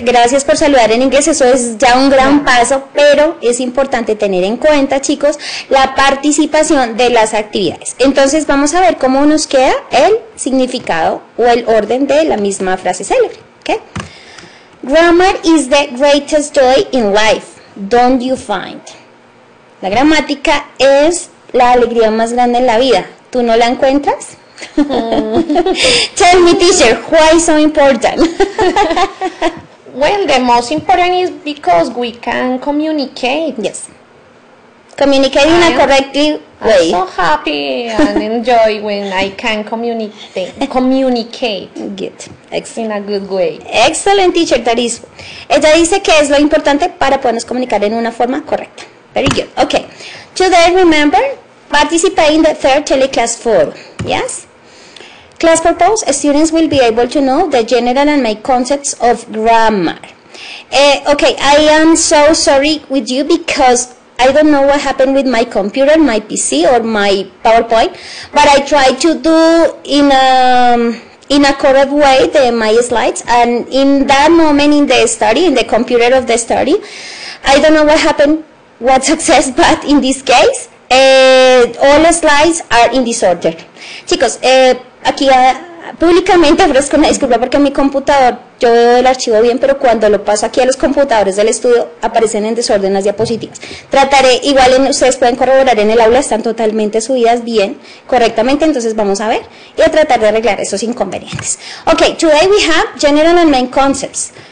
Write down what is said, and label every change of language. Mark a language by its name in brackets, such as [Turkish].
[Spanish] Gracias por saludar en inglés, eso es ya un gran paso, pero es importante tener en cuenta, chicos, la participación de las actividades. Entonces, vamos a ver cómo nos queda el significado o el orden de la misma frase célebre, ¿ok? [English] Grammar is the greatest joy in life, don't you find? [Spanish] La gramática es la alegría más grande en la vida, ¿tú no la encuentras? [English] Tell me, teacher, why so important? Well, the most important is because we can communicate. Yes. Communicate in a correct way. I'm so happy and enjoy when I can communicate. Good. Excellent. In a good way. Excellent, teacher, that is. [Spanish] Ella dice que es lo importante para podernos comunicar en una forma correcta. [English] Very good. Okay. Today, remember, participate in the third teleclass four. Yes? Class purpose, students will be able to know the general and main concepts of grammar. Okay, I am so sorry with you because I don't know what happened with my computer, my PC, or my PowerPoint, but I tried to do in a correct way the my slides, and in that moment in the study, in the computer of the study, I don't know what happened, what success, but in this case, all the slides are in disorder. [Spanish] Chicos, aquí públicamente ofrezco una disculpa porque mi computador, yo veo el archivo bien, pero cuando lo paso aquí a los computadores del estudio aparecen en desorden las diapositivas. Trataré, igual en, ustedes pueden corroborar en el aula, están totalmente subidas bien, correctamente, entonces vamos a ver y a tratar de arreglar esos inconvenientes. [English] Ok, today we have general and main concepts.